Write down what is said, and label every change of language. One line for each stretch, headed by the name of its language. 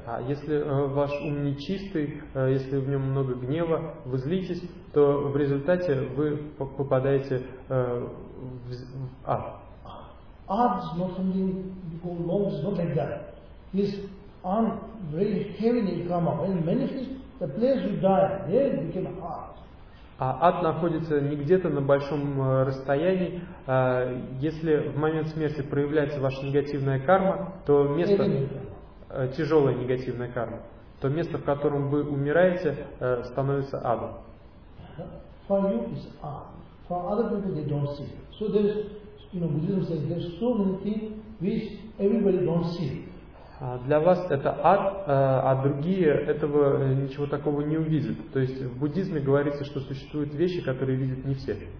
Russian: А если ваш ум нечистый, если в нем много гнева, вы злитесь, то в результате вы попадаете в ад.
English: Ад not something you call love, it's not like that. It's on very heavy karma. When it manifests, the place you die, there it became ad.
Russian: А ад находится не где-то на большом расстоянии. Если в момент смерти проявляется ваша негативная карма, то место тяжелая негативная карма, то место, в котором вы умираете, становится адом.
English: For you is ad. For other people they don't see. So there's, you know, Buddhism says there's so many things which everybody don't see.
Russian: Для вас это ад, а другие этого ничего такого не увидят. То есть в буддизме говорится, что существуют вещи, которые видят не все.